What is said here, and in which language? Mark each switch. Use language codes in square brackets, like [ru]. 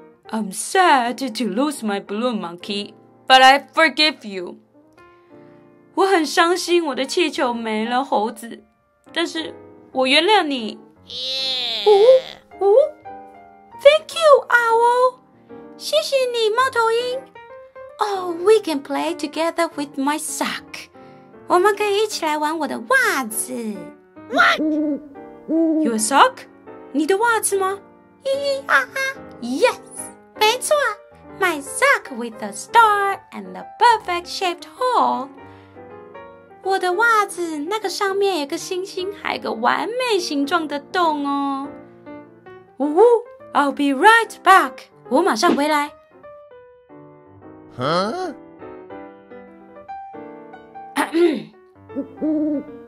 [en] I'm sad to lose my balloon, monkey, but I forgive you. [zh] 我很伤心我的气球没了猴子，但是我原谅你。 [en] Yeah. Thank you, Owl. [zh] 谢谢你，猫头鹰。 [en] Oh, we can play together with my sock. [zh] 我们可以一起来玩我的袜子。 [en] What? Your sock? [zh] 你的袜子吗？ [en] Yes. [zh] 没错 [en] ，my sock with the star and the perfect shaped hole. [zh] 我的袜子那个上面有个星星，还有个完美形状的洞哦。 [en] I'll be right back. [zh] 我马上回来。 Huh?